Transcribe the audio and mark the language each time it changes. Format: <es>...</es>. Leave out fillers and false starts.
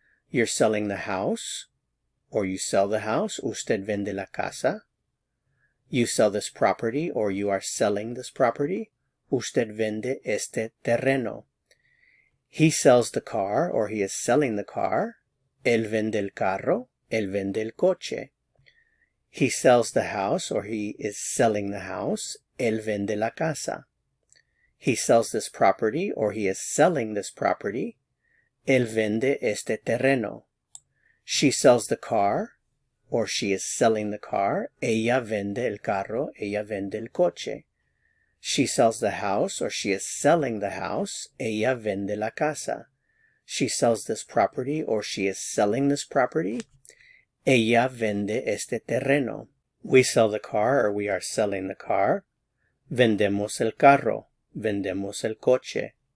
<en>You're selling the house, or you sell the house.</en> <es>Usted vende la casa.</es> <en>You sell this property, or you are selling this property.</en> <es>Usted vende este terreno.</es> <en>He sells the car, or he is selling the car.</en> <es>Él vende el carro, él vende el coche.</es> <en>He sells the house, or he is selling the house.</en> <es>Él vende la casa.</es> <en>He sells this property, or he is selling this property.</en> <es>Él vende este terreno.</es> <en>She sells the car, or she is selling the car.</en> <es>Ella vende el carro, ella vende el coche.</es> <en>She sells the house, or she is selling the house.</en> <es>Ella vende la casa.</es> <en>She sells this property, or she is selling this property.</en> <es>Ella vende este terreno.</es> <en>We sell the car, or we are selling the car.</en> <es>Vendemos el carro. Vendemos el coche.</es>